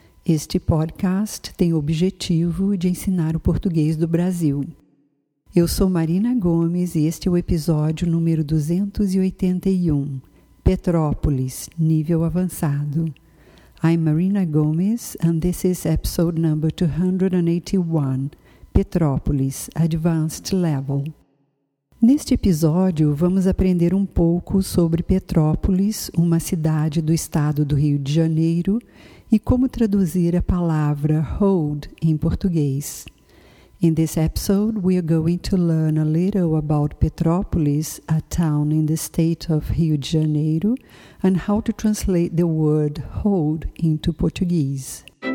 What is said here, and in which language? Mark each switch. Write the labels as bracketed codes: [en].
[pt] Este podcast tem o objetivo de ensinar o português do Brasil. Eu sou Marina Gomes e este é o episódio número 281, Petrópolis, nível avançado. [en] I'm Marina Gomes and this is episode number 281, Petrópolis, Advanced Level. [pt] Neste episódio, vamos aprender um pouco sobre Petrópolis, uma cidade do estado do Rio de Janeiro, e como traduzir a palavra hold em português. [en] In this episode, we are going to learn a little about Petrópolis, a town in the state of Rio de Janeiro, and how to translate the word hold into Portuguese.